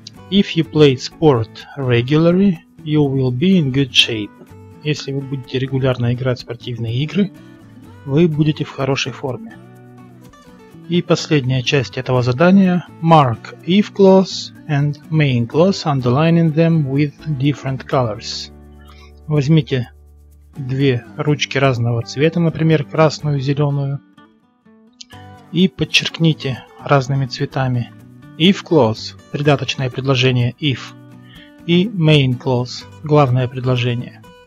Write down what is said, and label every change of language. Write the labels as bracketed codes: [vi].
[en] If you play sport regularly, you will be in good shape. [ru] Если вы будете регулярно играть в спортивные игры, вы будете в хорошей форме. И последняя часть этого задания. [en] Mark if clause and main clause, underlining them with different colors. [ru] Возьмите две ручки разного цвета, например, красную и зеленую. И подчеркните разными цветами if clause, придаточное предложение if, и main clause, главное предложение.